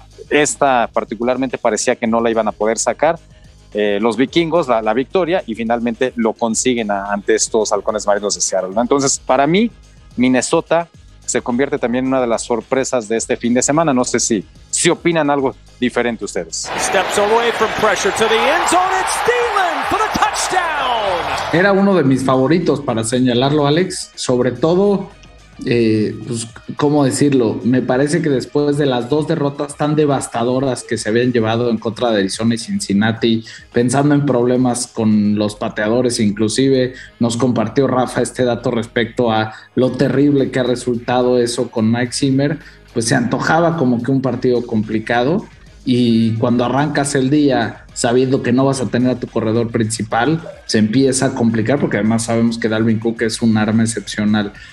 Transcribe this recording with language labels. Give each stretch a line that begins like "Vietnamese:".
Spanish: Esta particularmente parecía que no la iban a poder sacar los vikingos, la victoria, y finalmente lo consiguen ante estos halcones marinos de Seattle, ¿no? Entonces, para mí, Minnesota se convierte también en una de las sorpresas de este fin de semana. No sé si opinan algo diferente ustedes.
English: Steps away from pressure to the end zone. It's Thielen for the touchdown.
Spanish: Era uno de mis favoritos para señalarlo, Alex. Sobre todo, pues, ¿cómo decirlo? Me parece que después de las 2 derrotas tan devastadoras que se habían llevado en contra de Arizona y Cincinnati, pensando en problemas con los pateadores, inclusive nos compartió Rafa este dato respecto a lo terrible que ha resultado eso con Mike Zimmer, pues se antojaba como que un partido complicado, y cuando arrancas el día sabiendo que no vas a tener a tu corredor principal, se empieza a complicar, porque además sabemos que Dalvin Cook es un arma excepcional.